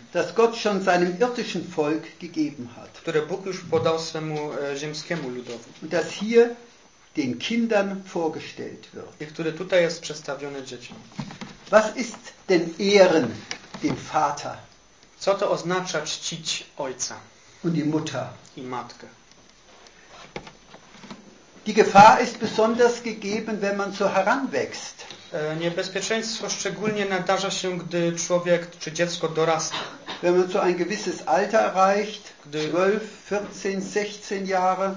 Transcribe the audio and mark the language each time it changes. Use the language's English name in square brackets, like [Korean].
[German] das Gott schon seinem irdischen Volk gegeben hat, [Polish] które Bóg już podał swemu ziemskiemu ludowi. [German] Und das hier den Kindern vorgestellt wird. [Polish] I które tutaj jest przedstawione dzieciom. [German] Was ist denn ehren dem Vater? [Polish] Co to oznacza czcić ojca? [German] Und die Mutter. [Polish] I matkę. [German] Die Gefahr ist besonders gegeben, wenn man so heranwächst. [Polish] Niebezpieczeństwo szczególnie nadarza się, gdy człowiek czy dziecko dorasta. [German] Wenn man so ein gewisses Alter erreicht, 12, 14, 16 Jahre,